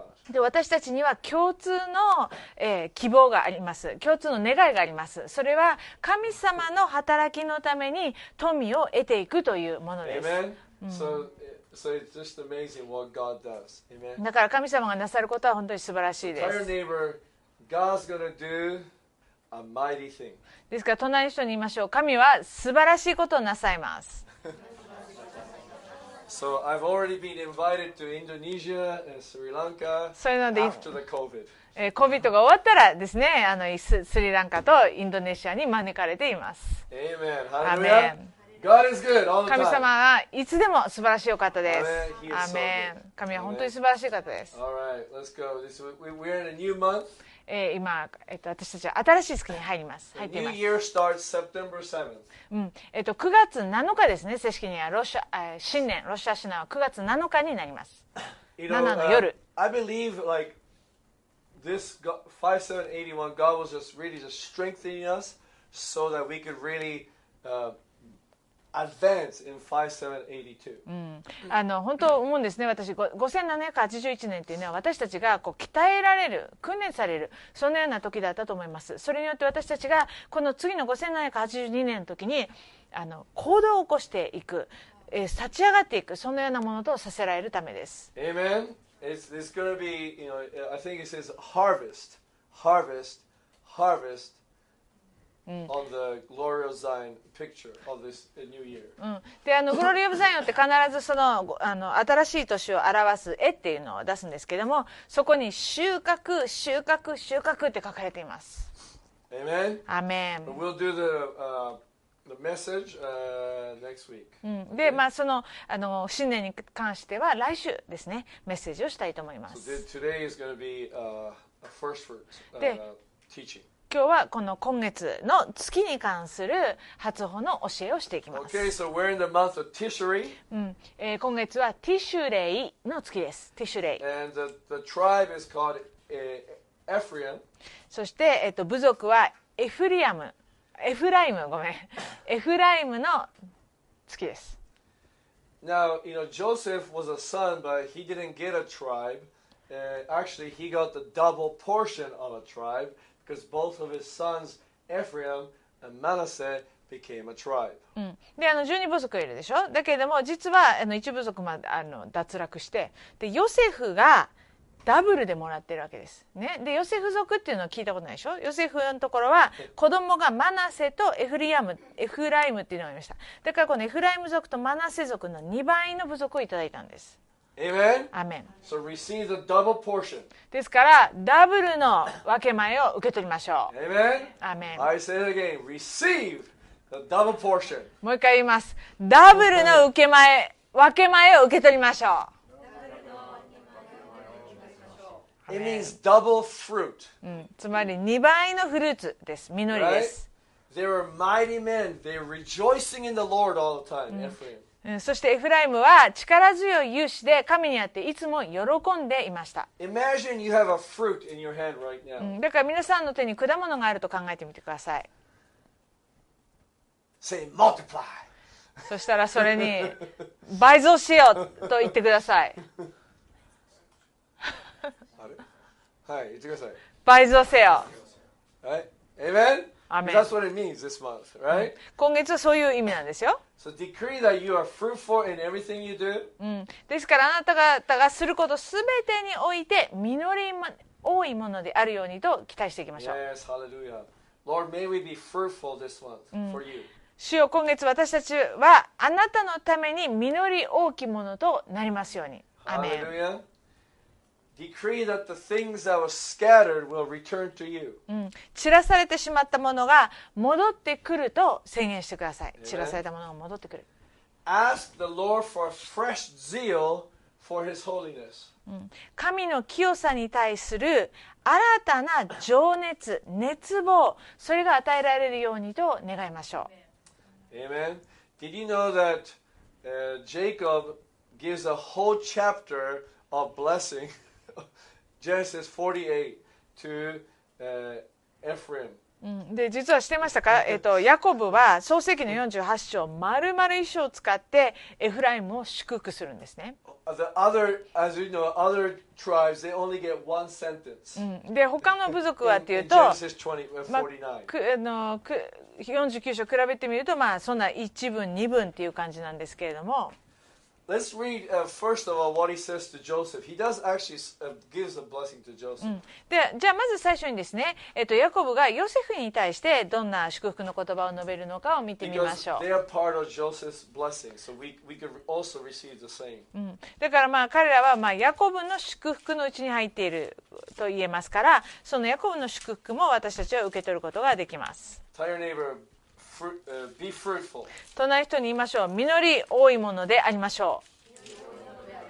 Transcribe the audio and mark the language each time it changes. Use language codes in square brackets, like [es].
[ja] で、私たちには共通の、希望があります。共通の願いがあります。それは神様の働きのために富を得ていくというものです。 [en] Amen.、So it's just amazing what God does. Amen. [ja] だから神様がなさることは本当に素晴らしいです。 [en] Tell your neighbor, God's gonna do a mighty thing. [ja] ですから隣の人に言いましょう。神は素晴らしいことをなさいます。 [en] So I've already been invited to Indonesia and Sri Lanka after the COVID. [ja] COVID が終わったらですね、スリランカとインドネシアに招かれています。 [en] Amen. Amen. God is good all the time. [ja] 神様はいつでも素晴らしい方です。 [en] Amen. [ja] 神は本当に素晴らしい方です。 [en] All right, let's go. We're in a new month. [ja] 今、私たちは新しい月に入ります。入っています。 [en] New year starts September 7th. [ja] 9月7日ですね。正式にはロシア、新年、ロシア新年は9月7日になります。 7の夜。 [en] I believe like this 5781, God was just really just strengthening us so that we could really advance in 5782. [ja] 本当思うんですね。私、5781年っていうのは私たちがこう鍛えられる、訓練される、そのような時だったと思います。それによって私たちがこの次の5782年の時に行動を起こしていく、立ち上がっていく、そのようなものとさせられるためです。 [en] Amen. It's gonna be, you know, I think it says harvest, harvest, harvest. On the glory of Zion picture of this new year. [ja] で、Glory of Zion って必ずその、新しい年を表す絵っていうのを出すんですけども、そこに収穫、収穫、収穫って書かれています。 [en] Amen. Amen. We'll do the message next week. で、okay. [ja] その新年に関しては来週ですね、メッセージをしたいと思います。 [en] So today is going to be a first fruits teaching. [ja] 今日はこの今月の月に関する初穂の教えをしていきます。 [en] Okay, so we're in the month of Tishrei. [ja] 今月はティシュレイの月です。ティシュレイ。 [en] And the tribe is called Ephraim. [ja] そして、部族はエフリアム、エフライム、ごめん、エフライムの月です。 [en] Now, you know, Joseph was a son, but he didn't get a tribe. Actually, he got the double portion of a tribe because both of his sons, Ephraim and Manasseh, became a tribe. [ja] うん、で、あの十二部族いるでしょ。だけれども、実はあの一部族まであの脱落して、でヨセフがダブルでもらってるわけです、ね、でヨセフ族っていうのは聞いたことないでしょ。ヨセフのところは子供がマナセとエフライムっていうのがありました。だからこのエフライム族とマナセ族の2倍の部族をいただいたんです。 [en] Amen. Amen. So receive the double portion. [ja] ですからダブルの分け前を受け取りましょう。 [en] Amen. Amen. I say it again. Receive the double portion. [ja] もう一回言います。ダブルの受け前、分け前を受け取りましょう。 [en] It means double fruit. [ja] つまり2倍のフルーツです。実りです。 [en] There are mighty men. They're rejoicing in the Lord all the time, Ephraim. [ja] そしてエフライムは力強い勇士で神にあっていつも喜んでいました。 [en] Imagine you have a fruit in your hand right now. [ja] だから皆さんの手に果物があると考えてみてください。 [en] Say multiply. [ja] そしたらそれに倍増しようと言ってください。はい、言倍増せよ。 [en] Amen? That's what it means this month, right? [ja] 今月はそういう意味なんですよ。 [en] So decree that you are fruitful in everything you do. [ja] ですからあなた方がすることすべてにおいて実り多いものであるようにと期待していきましょう。 [en] Yes, hallelujah. Lord, may we be fruitful this month for you. [ja] 主よ、今月私たちはあなたのために実り多きものとなりますように。 [en] Amen. Hallelujah. Decree that the things that were scattered will return to you. [ja] 散らされてしまったものが戻ってくると宣言してください。散らされたものが戻ってくる。 [en] Ask the Lord for fresh zeal for His holiness. [ja] 神の清さに対する新たな情熱、熱望、それが与えられるようにと願いましょう。 [en] Amen. Did you know that Jacob gives a whole chapter of blessing? Genesis 48 to Ephraim. [ja] で実は知ってましたか。ヤコブは創世記の48章丸々一章を使ってエフライムを祝福するんですね。 [en] The other, as you know, other tribes, they only get one sentence. [ja] で他の部族はっていうと、49章比べてみると、まあそんな一文二文っていう感じなんですけれども。 [en] Let's read first of all what he says to Joseph. He does actually gives a blessing to Joseph. [ja] で、じゃあまず最初にですね、ヤコブがヨセフに対してどんな祝福の言葉を述べるのかを見てみましょう。 [en] They are part of Joseph's blessing, so we could also receive the same. [ja] だからまあ彼らはまあヤコブの祝福のうちに入っていると言えますから、そのヤコブの祝福も私たちは受け取ることができます。 [en] Tell your neighbor. Be fruitful. [ja] 隣の人に言いましょう。実り多いものでありましょう。